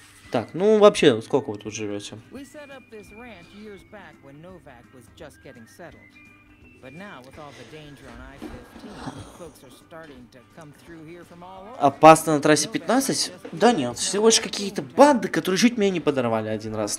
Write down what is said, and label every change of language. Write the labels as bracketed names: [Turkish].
[Russian] Так, ну вообще, сколько вы тут живете? Мы установили эту ранчо год назад, когда Новак только [English] settled. But now, with all the danger on I-15, folks are starting to come through here from all over. [Russian] Опасно на трассе 15? Да нет, всего лишь какие-то банды, которые чуть меня не подорвали один раз.